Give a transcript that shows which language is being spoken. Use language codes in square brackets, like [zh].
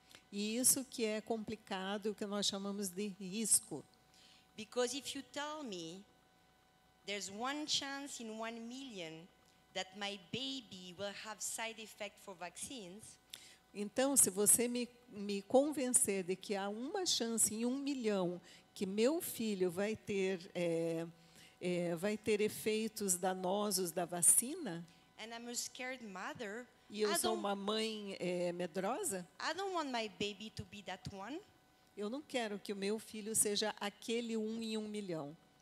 [pt] E isso que é complicado, o que nós chamamos de risco. [en] Because if you tell me there's one chance in 1 million that my baby will have side effect for vaccines. [pt] Então, se você me convencer de que há uma chance em 1 milhão que meu filho vai ter efeitos danosos da vacina. [en] And I'm a scared mother. [pt] E eu sou uma mãe medrosa? [en] I don't want my baby to be that one. [pt] Eu não quero que o meu filho seja aquele um em 1 milhão.